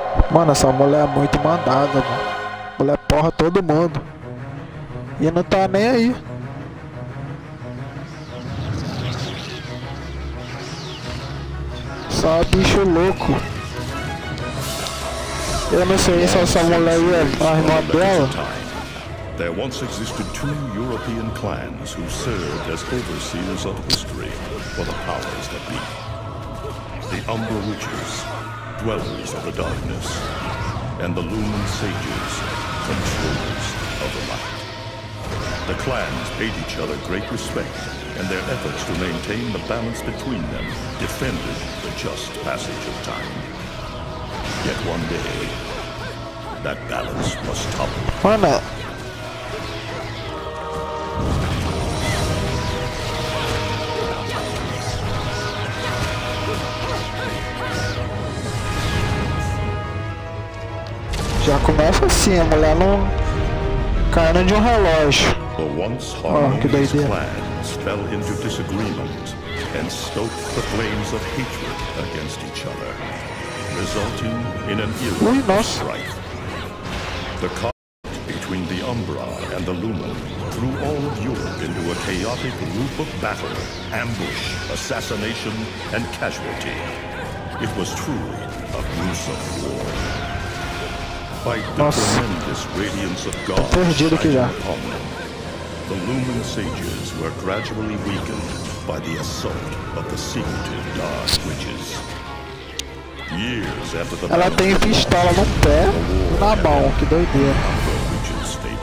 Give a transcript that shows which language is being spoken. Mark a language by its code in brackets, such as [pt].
[pt] Mano, essa mulher é muito mandada, mano. Mulher porra todo mundo. E não tá nem aí. Só bicho louco. Eu não sei se essa mulher é a irmã dela. [en] There once existed two European clans who served as overseers of history for the powers that be. The Umbra Witches, dwellers of the darkness, and the Lumen Sages, controllers of the light. The clans paid each other great respect, and their efforts to maintain the balance between them defended the just passage of time. Yet one day, that balance was toppled. [pt] Já começa assim, a mulher não caindo de um relógio. [en] The once harmonious clans fell into disagreement and stoked the flames of hatred against each other, resulting in an era of strife. The conflict between the Umbra and the Lumen threw all of Europe into a chaotic loop of battle, ambush, assassination, and casualty. It was truly a gruesome war. By the tremendous radiance of God shining upon them, the Lumen Sages were gradually weakened by the assault of the secretive Dark Witches. Years after the [pt] Ela tem pistola no pé, na mão, que doideira.